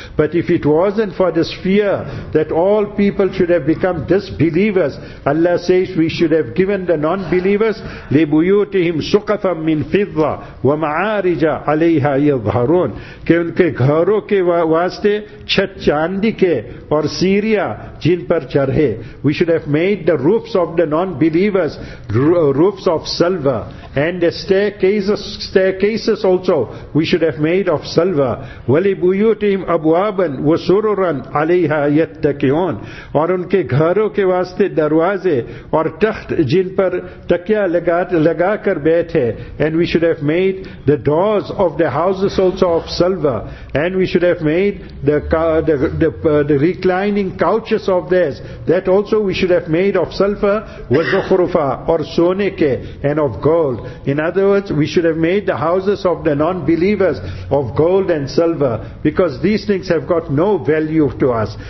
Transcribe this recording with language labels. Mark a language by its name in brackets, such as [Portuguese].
[English] But if it wasn't for this fear that all people should have become disbelievers, Allah says we should have given the non-believers [Arabic] لِبُيُوتِهِمْ سُقَفًا مِّن فِضَّةٍ وَمَعَارِجَ عَلَيْهَا يَظْهَرُونَ [Urdu] کہ ان کے گھروں کے واسطے چھت چاندی کے اور سیریا جن پر چڑھے. [English] We should have made the roofs of the non-believers roofs of silver, and the staircases also we should have made of silver. [Arabic] وَلِبُيُوتِهِمْ أَبْوَابًا وَسُرُرًا عَلَيْهَا يَتَّكِعُونَ [Urdu] اور ان کے گھروں کے واسطے دروازے اور تخت جن پر تکیہ لگا کر بیٹھے. [English] And we should have made the doors of the houses also of silver, and we should have made the reclining couches of theirs, that also we should have that made of sulfur was zukhrufa or sonike and of gold. In other words, we should have made the houses of the non-believers of gold and silver, because these things have got no value to us.